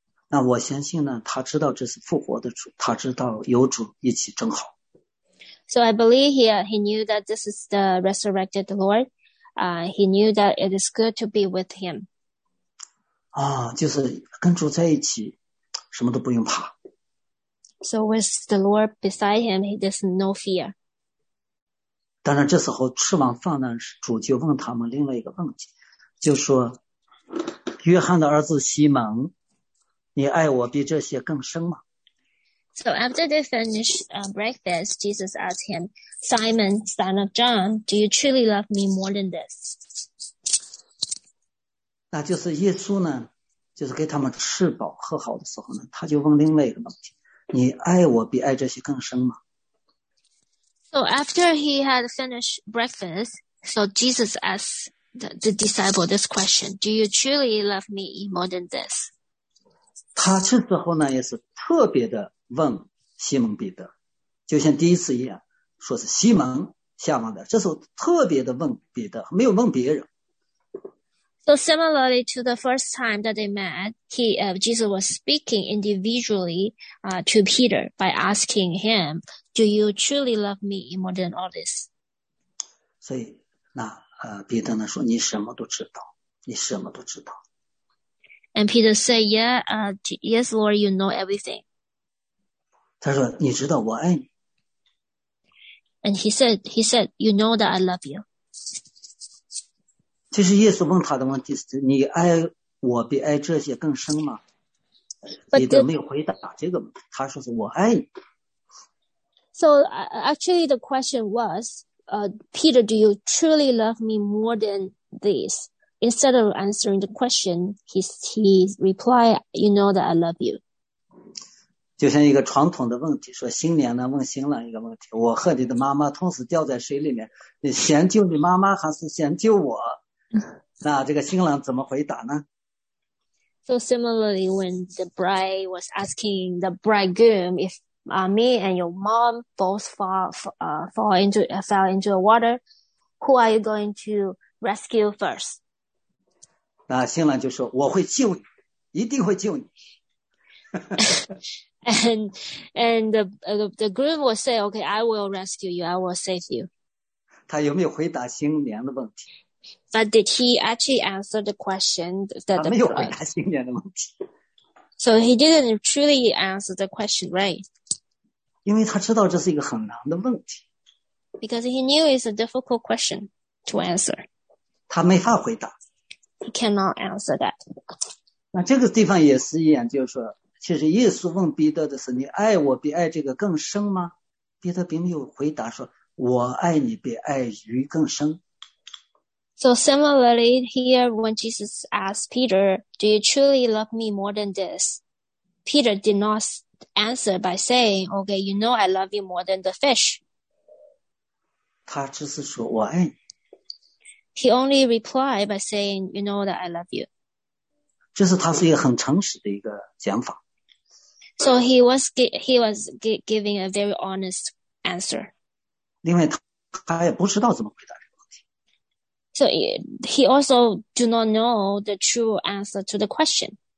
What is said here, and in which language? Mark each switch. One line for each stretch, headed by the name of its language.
Chinese: 那我相信呢，他知道这是复活的主，他知道有主一起正好。
English: So I believe he knew that this is the resurrected Lord. He knew that it is good to be with him.
Chinese: 啊，就是跟主在一起，什么都不用怕。
English: So with the Lord beside him, he has no fear.
Chinese: 当然，这时候吃完饭呢，主就问他们另外一个问题，就说：“约翰的儿子西门，你爱我比这些更深吗？”
English: So after they finish breakfast, Jesus asked him. Simon, son of John, do you truly love me more than this?
Chinese: 那就是耶稣呢，就是给他们吃饱喝好的时候呢，他就问另外一个问题：你爱我比爱这些更深吗？
English: So after he had finished breakfast, so Jesus asked the disciple this question: Do you truly love me more than this?
Chinese: 他这时候呢，也是特别的问西蒙彼得，就像第一次一样。说是西门下马的，这时候特别的问彼得，没有问别人。
English: So similarly to the first time that they met, Jesus was speaking individually to Peter by asking him, "Do you truly love me more than all this?"
Chinese: 所以那彼得呢说：“你什么都知道，你什么都知道。
English: ”And Peter said, "Yeah, yes, Lord, you know everything."
Chinese: 他说：“你知道我爱你。”
English: And he said, "You know that I love you."
Chinese: 其实耶稣问他的问题是：“你爱我比爱这些更深吗？” 彼得没有回答这个问题，他说是：“我爱你。”
English: So actually, the question was, "Peter, do you truly love me more than this?" Instead of answering the question, he replied, "You know that I love you."
Chinese: 就像一个传统的问题，说新娘呢问新郎一个问题：“我和你的妈妈同时掉在水里面，你先救你妈妈还是先救我？” 那这个新郎怎么回答呢
English: ？So similarly, when the bride was asking the bridegroom if me and your mom both fell into the water, who are you going to rescue first？”
Chinese: 那新郎就说：“我会救你，一定会救你。
English: ”And the groom will say, "Okay, I will rescue you. I will save you."
Chinese: 他有没有回答新娘的问题
English: ？But did he actually answer the question that
Chinese: 他没有回答新娘的问题。
English: So he didn't truly answer the question, right?
Chinese: 因为他知道这是一个很难的问题。
English: Because he knew it's a difficult question to answer.
Chinese: 他没法回答。
English: He cannot answer that.
Chinese: 那这个地方也是一样，就是说。其实耶稣问彼得的是：“你爱我比爱这个更深吗？” 彼得并没有回答说：“我爱你比爱鱼更深。”
English: So similarly, here when Jesus asked Peter, do you truly love me more than this? Peter did not answer by saying, okay, you know I love you more than the fish.
Chinese: 他只是说我爱你。
English: He only replied by saying, you know that I love you.
Chinese: 就是他是一个很诚实的一个讲法。
English: So he was giving a very honest answer.
Chinese: 另外 他也不知道怎么回答。
English: So he also do not know the true answer to the question.